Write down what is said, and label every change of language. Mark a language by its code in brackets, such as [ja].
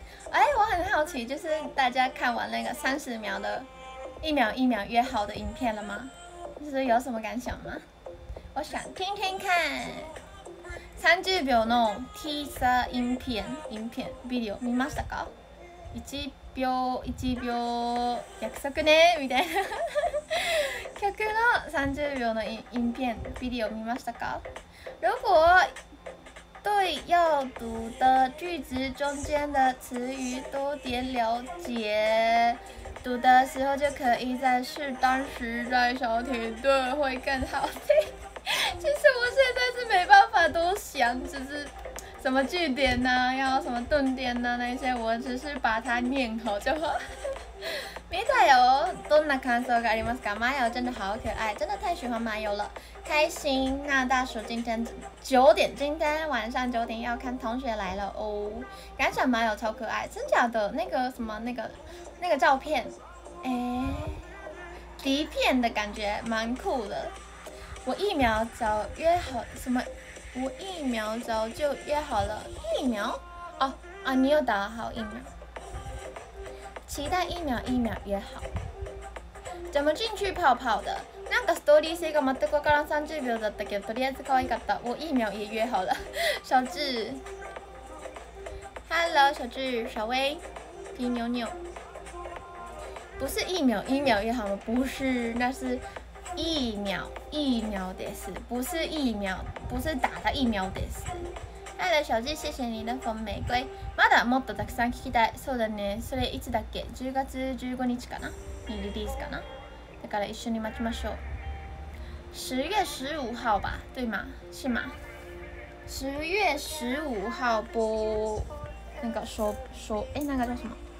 [zh] 哎，我很好奇，就是大家看完那个三十秒的一秒一秒约好的影片了吗？就是有什么感想吗？我想听听看。 [ja] 三十秒のティーザー影片、影片、ビデオ見ましたか？一秒一秒約束ねみたいな曲の三十秒の影片、ビデオ見ましたか？ [zh] 如果对要读的句子中间的词语多点了解，读的时候就可以在适当时再小停顿，会更好听。其实我现在是没办法多想，只是什么句点呢、啊，要什么顿点呢、啊，那些我只是把它念好就好。 [ja] 迷彩油，どんな感想がありますか？ [zh] 麻油真的好可爱，真的太喜欢麻油了。开心，那大叔今天九点，今天晚上九点要看同学来了哦。感想麻友超可爱，真假的？那个什么，那个照片，哎，底片的感觉蛮酷的。我疫苗早约好什么？我疫苗早就约好了疫苗。哦啊，你有打好疫苗？期待疫苗，疫苗约好。怎么进去泡泡的？ [ja] なんかストーリー性が全くわからん30秒だったけど、とりあえず可愛かった。 [zh] 我疫苗也约好了。小智 ，Hello， 小智、小薇、皮妞妞，不是疫苗，疫苗约好吗？不是，那是疫苗，疫苗的事，不是疫苗，不是打的疫苗的事。 Hello， 小智，谢谢你的粉玫瑰。 [ja] まだもっとたくさん聞きたい。そうだね。それいつだっけ？10月15日かな？にリリースかな？だから一緒に待ちましょう。 [zh] 10月15号吧、对吗？是吗？ 10月15号播那个首哎那个叫什么？